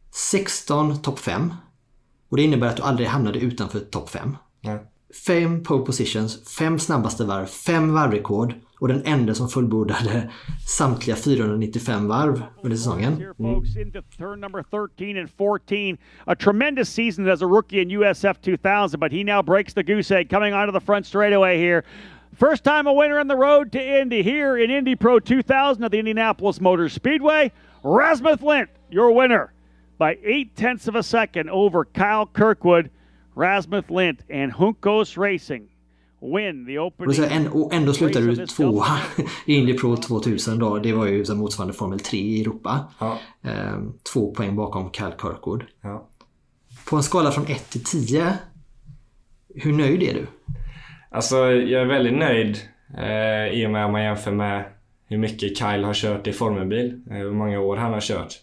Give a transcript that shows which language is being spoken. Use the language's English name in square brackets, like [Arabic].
[Swedish] 16 topp 5. Och det innebär att du aldrig hamnade utanför topp 5. Ja. 5 pole positions, 5 snabbaste varv, 5 varvrekord och den enda som fullbordade samtliga 495 varv under säsongen. [English] Turn number 13 and 14. A tremendous season as a rookie in USF 2000, but he now breaks the goose egg coming onto the front straightaway here. First time a winner on the road to Indy here in Indy Pro 2000 at the Indianapolis Motor Speedway. Rasmus Lind, your winner by 8/10 of a second over Kyle Kirkwood. Rasmus Lind and Hunkos Racing win the opening. [Swedish] Och ändå slutade du tvåa i Indy Pro 2000 då. Det var ju som motsvarande Formel 3 i Europa. Ja. 2 poäng bakom Kyle Kirkwood. Ja. På en skala från 1 till 10, hur nöjd är du? Alltså jag är väldigt nöjd i och med att man jämför med hur mycket Kyle har kört i formelbil, hur många år han har kört.